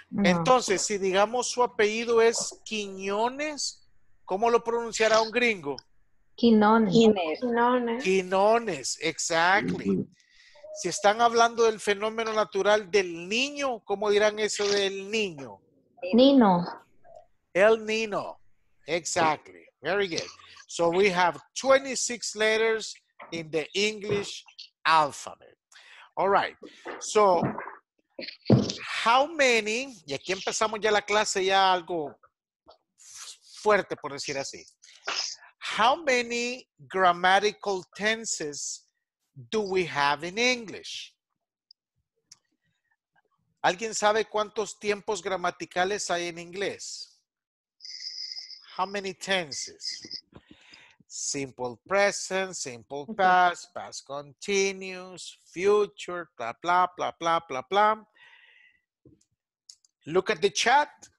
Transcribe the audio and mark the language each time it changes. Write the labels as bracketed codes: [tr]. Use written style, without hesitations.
[es] Entonces, si digamos su apellido es Quiñones, ¿cómo lo pronunciará un gringo? Quiñones. [en] Quiñones, exactly. [es] Si están hablando del fenómeno natural del niño, ¿cómo dirán eso del niño? Nino. [en] El Nino, exactly. Very good. So we have 26 letters in the English alphabet. All right. So, how many, [es] y aquí empezamos ya la clase ya algo fuerte por decir así. [en] How many grammatical tenses do we have in English? [es] ¿Alguien sabe cuántos tiempos gramaticales hay en inglés? [en] How many tenses? Simple present, simple past, past continuous, future, bla bla bla bla bla bla. Look at the chat.